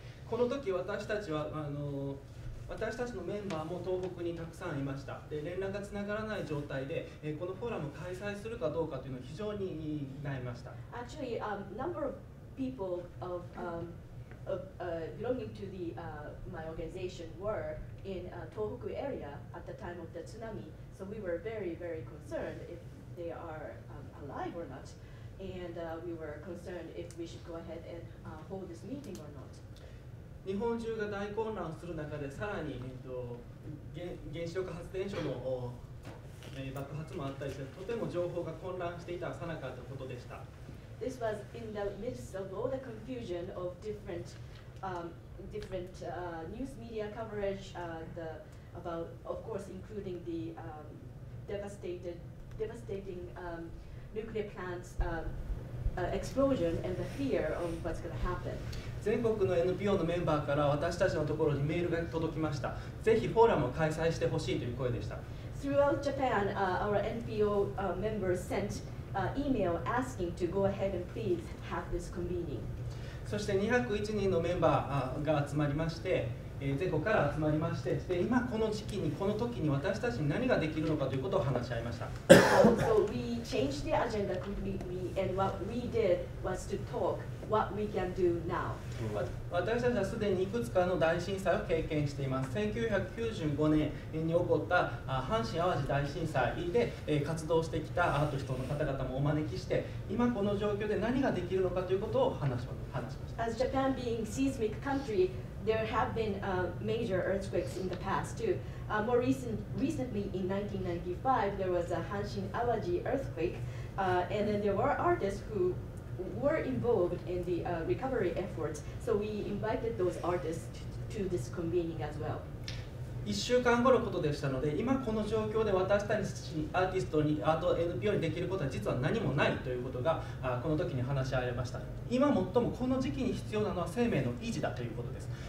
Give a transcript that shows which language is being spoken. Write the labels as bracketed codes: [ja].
[ja] この時私たちは私たちのメンバーも東北にたくさんいました。で、連絡がつながらない状態で、このフォーラムを開催するかどうかというのを非常に悩みました。 [en] Actually, a number of people belonging to the, my organization were in Tohoku area at the time of the tsunami, so we were very, very concerned if they are alive or not, and we were concerned if we should go ahead and hold this meeting or not. [ja] 日本中が大混乱する中で、さらに原子力発電所の爆発もあったりして、とても情報が混乱していたさなかということでした。 [en] This was in the midst of all the confusion of different, news media coverage, about, of course, including the devastating nuclear plants explosion and the fear of what's going to happen. [ja] 全国の NPO のメンバーから私たちのところにメールが届きました。ぜひフォーラムを開催してほしいという声でした。 [en] Throughout Japan, our NPO members sent email asking to go ahead and please have this convening. [ja] そして201人のメンバーが集まりまして、全国から集まりまして、で今この時期に、この時に私たちに何ができるのかということを話し合いました。 [en] So we changed the agenda completely, and what we did was to talk. What we can do now. [ja] 私たちはすでにいくつかの大震災を経験しています。1995年に起こった阪神・淡路大震災で活動してきたアート人の方々もお招きして、今この状況で何ができるのかということを話しました。 [en] As Japan being a seismic country, there have been major earthquakes in the past too. More recently in 1995, there was a 阪神・淡路 earthquake, and then there were artists whowere involved in the recovery efforts, so we invited those artists to this convening as well. [ja] 1週間後のことでしたので、今この状況で私たちアーティストに、アート NPO にできることは実は何もないということが、この時に話し合われました。今最もこの時期に必要なのは生命の維持だということです。